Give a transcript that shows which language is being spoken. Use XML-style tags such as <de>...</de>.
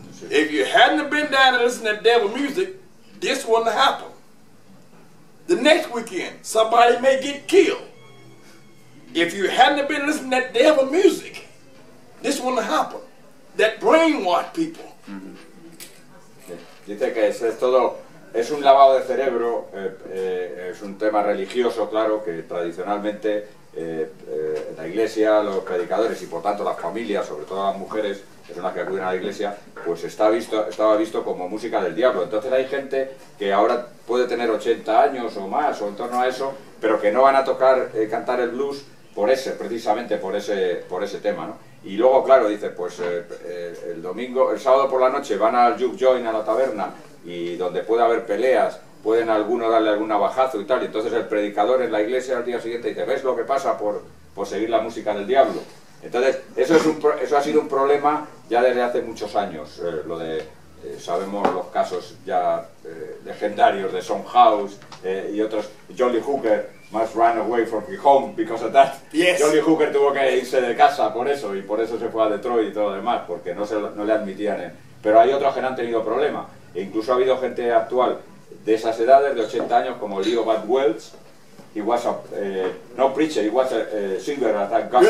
<en>If you hadn't have been down to listen to that devil music, this wouldn't happen. The next weekend, somebody may get killed. If you hadn't been listening to that devil music, this wouldn't happen. That brainwashed people.</en> <es>Dice que es todo, es un lavado de cerebro, es un tema religioso, claro, que tradicionalmente la iglesia, los predicadores y por tanto las familias, sobre todo las mujeres, personas que acuden a la iglesia, pues estaba visto como música del diablo. Entonces hay gente que ahora puede tener 80 años o más, o en torno a eso, pero que no van a tocar, cantar el blues precisamente por ese tema, ¿no? Y luego, claro, dice, pues el domingo, el sábado por la noche van al juke joint, a la taberna, y donde puede haber peleas, pueden alguno darle algún navajazo y tal, y entonces el predicador en la iglesia al día siguiente dice, ¿ves lo que pasa por seguir la música del diablo? Entonces, eso ha sido un problema ya desde hace muchos años. Sabemos los casos ya legendarios de Son House y otros.</es> <en>Jolly Hooker must run away from home because of that. Yes.</en> <es>Jolly Hooker tuvo que irse de casa por eso, y por eso se fue a Detroit y todo lo demás, porque no le admitían. Pero hay otros que no han tenido problema. E incluso ha habido gente actual de esas edades, de 80 años, como Leo Bud Welch.</es> <en>He was a, no preacher, he was a singer at that gospel.</en>